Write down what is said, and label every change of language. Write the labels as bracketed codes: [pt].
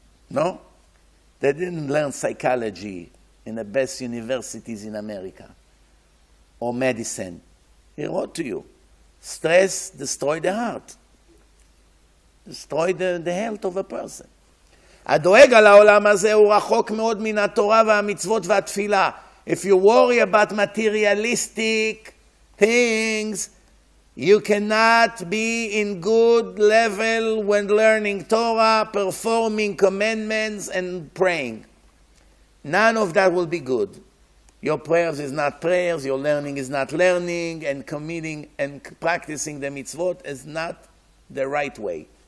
[en] No? They didn't learn psychology in the best universities in America. Or medicine. He wrote to you, stress destroys the heart. Destroys the health of a person. [he] הדואג על העולם הזה הוא רחוק מאוד מן התורה והמצוות והתפילה. [en] If you worry about materialistic things, you cannot be in good level when learning Torah, performing commandments and praying. None of that will be good. Your prayers is not prayers, your learning is not learning, and committing and practicing the mitzvot is not the right way.